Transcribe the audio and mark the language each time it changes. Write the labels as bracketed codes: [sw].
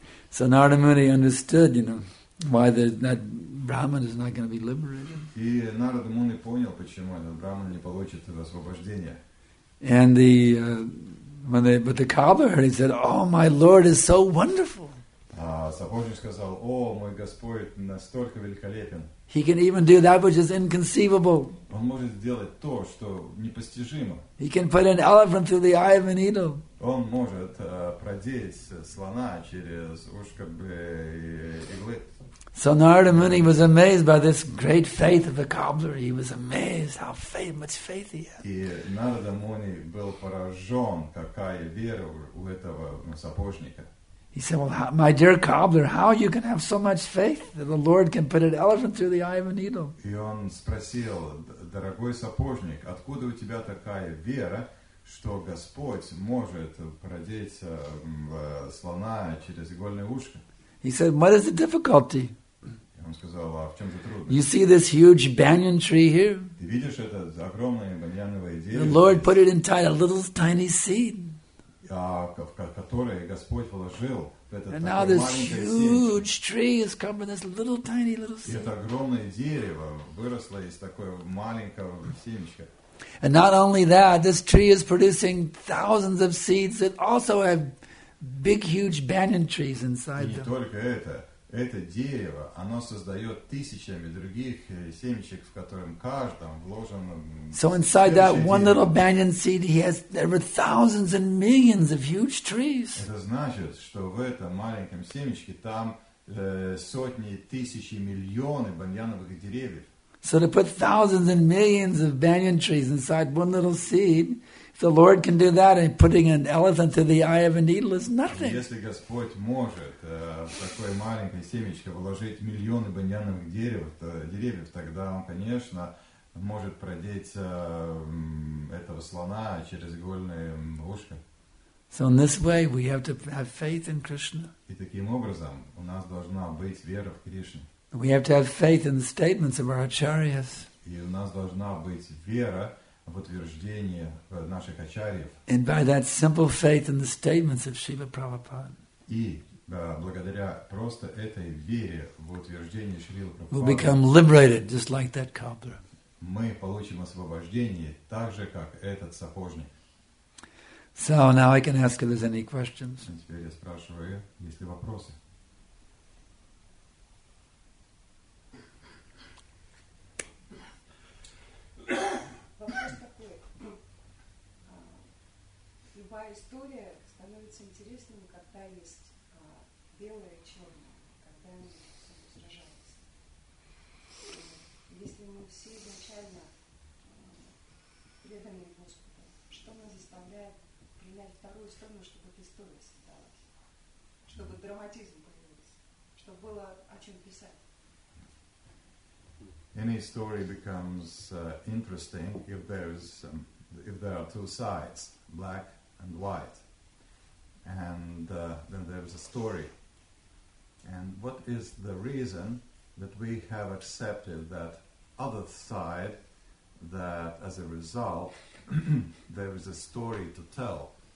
[en] So Narada Muni understood, you know, why that Brahman is not going to be liberated. But the cobbler heard, he said, "Oh, my Lord is so wonderful." [ru] Сапожник сказал, о, мой Господь настолько великолепен. [en] He can even do that which is inconceivable. [ru] Он может сделать то, что непостижимо. [en] He can put an elephant through the eye of a needle. [ru] Он может продеть слона через ушко иглы. [en] So Narada Muni was amazed by this great faith of the cobbler. He was amazed how much faith he had. [ru] И Нарада Муни был поражен, какая вера у этого сапожника. [en] He said, "Well, my dear cobbler, how you can have so much faith that the Lord can put an elephant through the eye of a needle?" [ru] И он спросил, дорогой сапожник, откуда у тебя такая вера, что Господь может продеть слона через игольное ушко? [en] He said, "What is the difficulty?" [ru] И он сказал, а в чем же трудность? [en] You see this huge banyan tree here? [ru] Ты видишь это огромное баньяновое дерево? [en] The Lord put it inside a little tiny seed. [ru] Которые Господь вложил в этот [en] And now this huge tree has come from this little tiny little seed. [ru] И это огромное дерево выросло из такой маленького семечка. [en] And not only that, this tree is producing thousands of seeds that also have big, huge banyan trees inside them. [ru] И не только это. Это дерево, оно создает тысячами других семечек, в котором каждом вложено. [en] So inside that one little banyan seed, there were thousands and millions of huge trees. [ru] Это значит, что в этом маленьком семечке там сотни, тысячи, миллионы баньяновых деревьев. [en] So to put thousands and millions of banyan trees inside one little seed, if the Lord can do that, and putting an elephant through the eye of a needle is nothing. [ru] Если Господь может в такое маленькое семечко вложить миллионы баньяновых деревьев, тогда он, конечно, может продеть этого слона через игольное ушко. [en] So in this way, we have to have faith in Krishna. [ru] И таким образом у нас должна быть вера в Кришну. [en] We have to have faith in the statements of our acharyas. [ru] И у нас должна быть вера в утверждение наших ачарьев. [en] And by that simple faith in the statements of Shiva Prabhupada. [ru] И благодаря просто этой вере в утверждение Шрилы Прабхупады. [en] We'll become liberated just like that cobbler. [ru] Мы получим освобождение так же, как этот сапожник. [en] So now I can ask if there's any questions. [ru] И теперь я спрашиваю, есть ли вопросы? Любая история становится интересным, когда есть белое и черное, когда они сражаются. Если мы все изначально преданы Господу, что нас заставляет принять вторую сторону, чтобы эта история создалась, чтобы драматизм появился, чтобы было о чем писать? [en] Any story becomes interesting if there are two sides, black and white, and then there is a story. And what is the reason that we have accepted that other side, that as a result there is a story to tell?